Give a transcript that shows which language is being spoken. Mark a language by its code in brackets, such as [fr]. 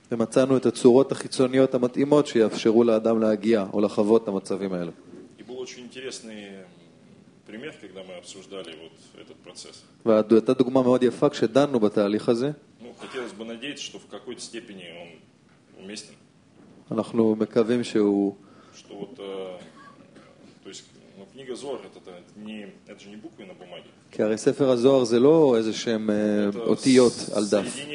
[he] ומצאנו את הצורות החיצוניות המתאימות שיאפשרו לאדם להגיע או לחוות את המצבים האלה. [ru] И был очень интересный пример, когда мы обсуждали вот этот процесс. [he] והייתה דוגמה מאוד יפה כשדנו בתהליך הזה. [ru] Ну, хотелось бы надеяться, что в какой-то степени он уместен. [he] אנחנו מקווים שהוא... [ru] Что вот... То есть, ну, книга Зоар, это же не буквы на бумаге. [he] כי הרי ספר הזוהר זה לא איזה שהם אותיות על דף.